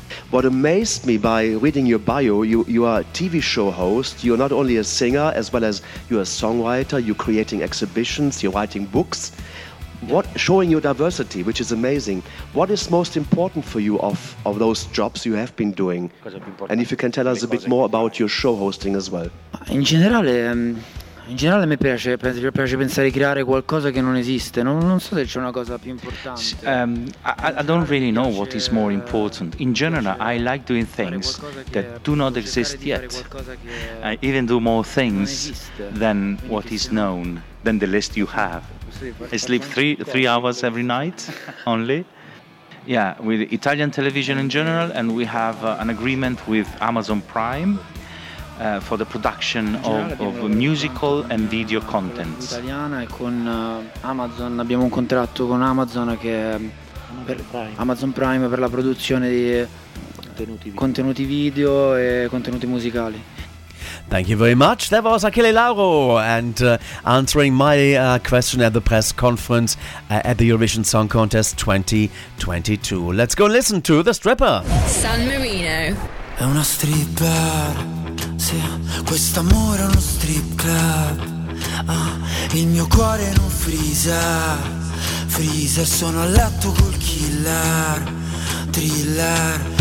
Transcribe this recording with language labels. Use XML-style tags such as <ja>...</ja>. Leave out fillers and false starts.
<en>What amazed me by reading your bio, you are a TV show host, you're not only a singer, as well as you're a songwriter, you're creating exhibitions, you're writing books. What, showing your diversity, which is amazing, what is most important for you of those jobs you have been doing? And if you can tell us a bit more about your show hosting as well.</en> <it>In generale mi piace pensare di creare qualcosa che non esiste. Non so se c'è una cosa più importante.</it> <en>I don't really know what is more important. In general, I like doing things that do not exist yet. I even do more things than what is known, than the list you have. I sleep three hours every night only. Yeah, with Italian television in general, and we have an agreement with Amazon Prime for the production of musical and video contents.</en> <it>Italiana e con Amazon abbiamo un contratto con Amazon che Amazon Prime per la produzione di contenuti video e contenuti musicali.</it> <en>Thank you very much. That was Achille Lauro and answering my question at the press conference at the Eurovision Song Contest 2022. Let's go listen to The Stripper. San Marino.</en> <it>È una stripper, sì, quest'amore è uno strip club. Il mio cuore è un freezer, sono a letto col killer, thriller.</it>